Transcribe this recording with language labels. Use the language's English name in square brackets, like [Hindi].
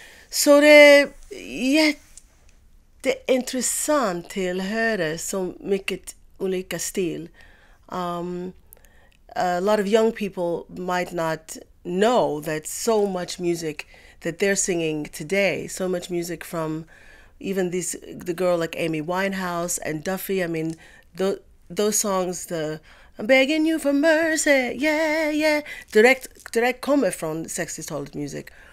[Swedish] Så det är jätteintressant till att höra så mycket olika stil. [English] A lot of young people might not know that so much music that they're singing today, so much music from even the girl like Amy Winehouse and Duffy, I mean, those songs, the I'm begging you for mercy, yeah, yeah. [Swedish] Direct kommer från 60-talet music.